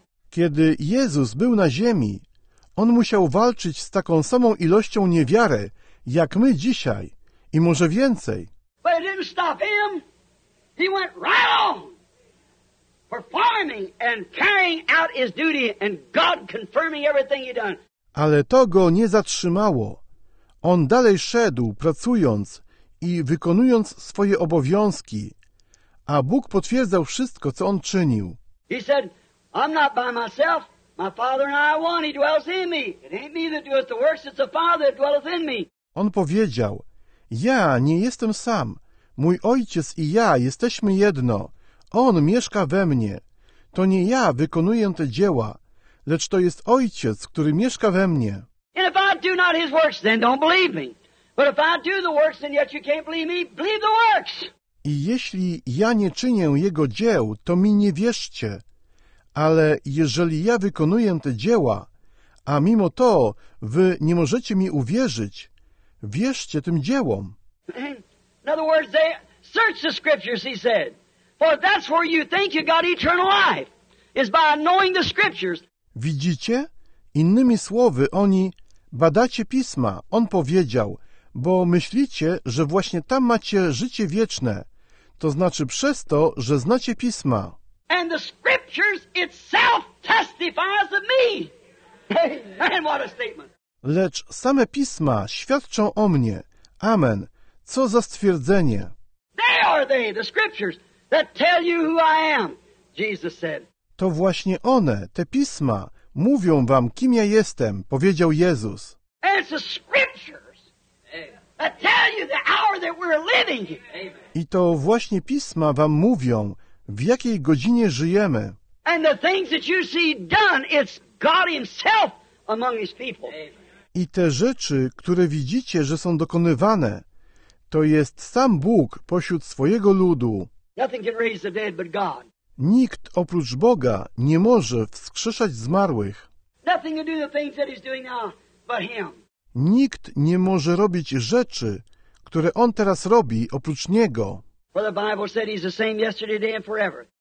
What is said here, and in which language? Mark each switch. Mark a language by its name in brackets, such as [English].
[Polish] Kiedy Jezus był na ziemi, On musiał walczyć z taką samą ilością niewiary, jak my dzisiaj, i może więcej. [English] But it didn't stop him. He went right on, performing and carrying out his duty and God confirming everything he done. [Polish] Ale to go nie zatrzymało. On dalej szedł, pracując i wykonując swoje obowiązki, a Bóg potwierdzał wszystko, co on czynił. [English] He said, I'm not by myself. My Father and I are one. He dwells in me. It ain't me that doeth the works, it's the Father that dwelleth in me. [Polish] On powiedział, ja nie jestem sam. Mój Ojciec i ja jesteśmy jedno. On mieszka we mnie. To nie ja wykonuję te dzieła, lecz to jest Ojciec, który mieszka we mnie. [English] And if I do not his works, then don't believe me. But if I do the works, then yet you can't believe me. Believe the works! [Polish] I jeśli ja nie czynię jego dzieł, to mi nie wierzcie. Ale jeżeli ja wykonuję te dzieła, a mimo to wy nie możecie mi uwierzyć, wierzcie tym dziełom. [English] In other words, they search the scriptures, he said. For that's where you think you got eternal life, is by knowing the scriptures. [Polish] Widzicie? Innymi słowy, oni badacie pisma. On powiedział, bo myślicie, że właśnie tam macie życie wieczne. To znaczy przez to, że znacie pisma. [English] And the scriptures itself testifies of me. Amen. What a statement. [Polish] Lecz same pisma świadczą o mnie. Amen. Co za stwierdzenie. [English] They are they, the scriptures, that tell you who I am, Jesus said. [Polish] To właśnie one, te pisma, mówią wam, kim ja jestem, powiedział Jezus. [English] And it's the scriptures that tell you the hour that we're living in. [Polish] I to właśnie pisma wam mówią, w jakiej godzinie żyjemy. [English] And the things that you see done, it's God himself among his people. [Polish] I te rzeczy, które widzicie, że są dokonywane, to jest sam Bóg pośród swojego ludu. [English] Nothing can raise the dead but God. [Polish] Nikt oprócz Boga nie może wskrzeszać zmarłych. [English] Nothing can do the things that he's doing now but him. [Polish] Nikt nie może robić rzeczy, które on teraz robi, oprócz Niego. [English] For the Bible said he's the same yesterday, today and forever.